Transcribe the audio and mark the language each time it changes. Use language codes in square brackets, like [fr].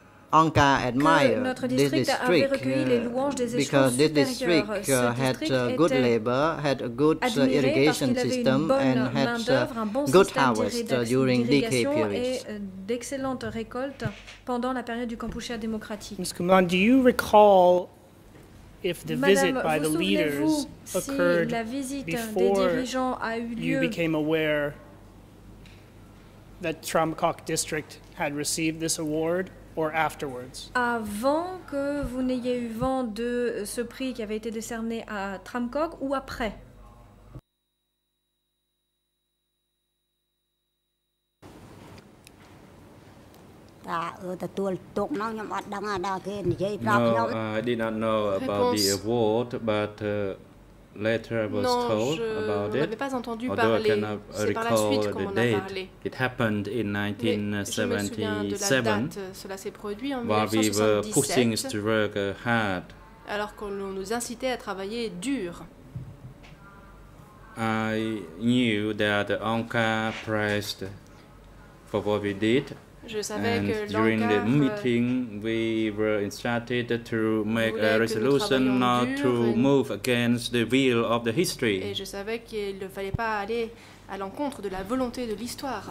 [en] Anka admired this district because this district had good labor, had a good irrigation system and had good harvest during the DK period. [fr] Excellente récolte pendant la période du Kampuchea démocratique. [en] Ms. Kumlan, do you recall if the visit by the leaders occurred before you became aware that Tram Kok district had received this award? or afterwards? Avant que vous n'ayez eu vent de ce prix qui avait été décerné à Tramcock ou après? I did not know about the award, but later I was told about it. Although I cannot recall the date. It happened in 1977, while we were pushing us to work hard. [fr] Alors qu'on nous incitait à travailler dur. [en] I knew that the Anka prized for what we did. And during the meeting, we were instructed to make a resolution not to move against the will of the history. [fr] Et je savais qu'il ne fallait pas aller à l'encontre de la volonté de l'histoire.